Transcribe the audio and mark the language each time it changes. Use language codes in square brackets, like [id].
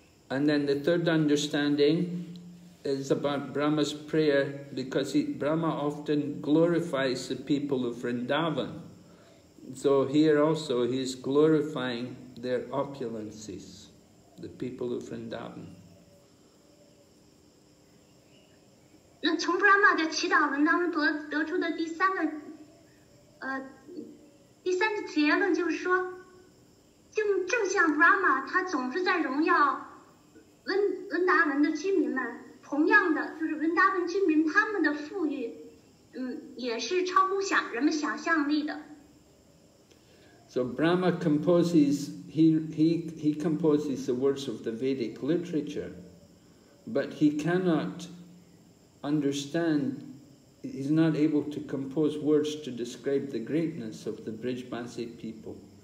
[en] And then the third understanding is about Brahma's prayer, because Brahma often glorifies the people of Vrindavan. So here also he is glorifying their opulences, the people of Vrindavan. [zh] 那从 Brahma 的祈祷文当中 得出的第三个结论就是说，正像 Brahma 他总是在荣耀温达文的居民们，同样的就是温达文居民他们的富裕，也是超乎人们想象力的。 [en] So Brahma composes he composes the words of the Vedic literature, but he cannot understand. He's not able to compose words to describe the greatness of the Brijbasi people.